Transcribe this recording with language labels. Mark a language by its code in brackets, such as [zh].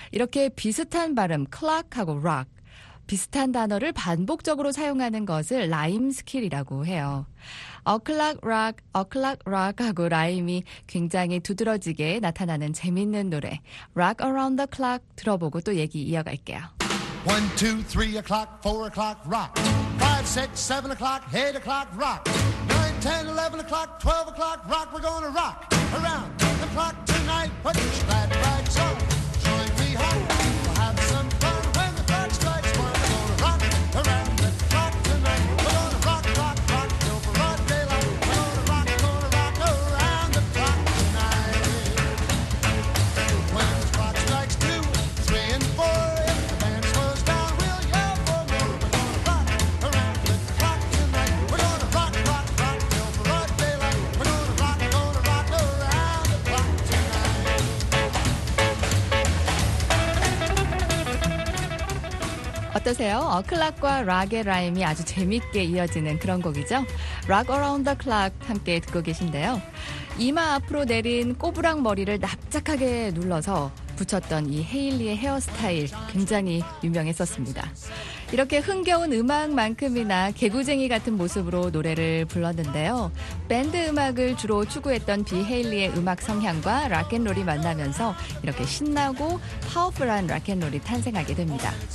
[ko] 이렇게 비슷한 발음 clock하고 rock 비슷한 단어를 반복적으로 사용하는 것을 라임 스킬이라고 해요. [en] A clock rock, a clock rock [ko] 하고 라임이 굉장히 두드러지게 나타나는 재밌는 노래 Rock Around the Clock 들어보고 또 얘기 이어갈게요. [en] 1, 2, 3 o'clock, 4 o'clock, rock 5, 6, 7 o'clock, 8 o'clock, rock 9, 10, 11 o'clock, 12 o'clock, rock We're gonna rock around the clock tonight Put your glad rags on Join me, hot We'll have some fun when the clock strikes one We're gonna rock around the clock tonight We're gonna rock, rock, rock Till broad daylight We're gonna rock around the clock tonight When the clock strikes two, three and four If the band slows down, we'll yell for more We're gonna rock around the clock tonight We're gonna rock, rock, rock Till broad daylight We're gonna rock around the clock tonight [ko] 어떠세요? 어클락과 락의 라임이 아주 재밌게 이어지는 그런 곡이죠? Rock Around the Clock 함께 듣고 계신데요. 이마 앞으로 내린 꼬부랑 머리를 납작하게 눌러서 붙였던 이 헤일리의 헤어스타일 굉장히 유명했었습니다. 이렇게 흥겨운 음악만큼이나 개구쟁이 같은 모습으로 노래를 불렀는데요. 밴드 음악을 주로 추구했던 비 헤일리의 음악 성향과 락앤롤이 만나면서 이렇게 신나고 파워풀한 락앤롤이 탄생하게 됩니다.